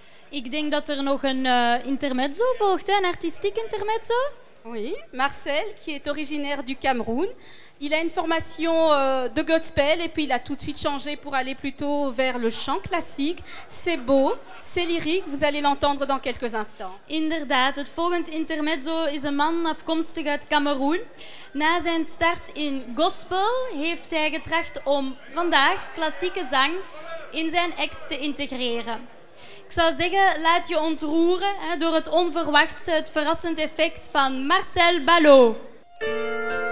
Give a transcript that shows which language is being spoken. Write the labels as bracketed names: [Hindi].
[Dutch] Ik denk dat er nog een intermezzo volgt, een artistiek intermezzo. [French] Oui, Marcel, qui est originaire du Cameroun. Il a une formation de gospel et puis il a tout de suite changé pour aller plutôt vers le chant classique. C'est beau, c'est lyrique, vous allez l'entendre dans quelques instants. [Dutch] Inderdaad, het volgende intermezzo is een man afkomstig uit Cameroen. Na zijn start in gospel heeft hij getracht om vandaag klassieke zang in zijn act te integreren. Ik zou zeggen, laat je ontroeren hè, door het onverwachte, het verrassend effect van Marcel Ballot.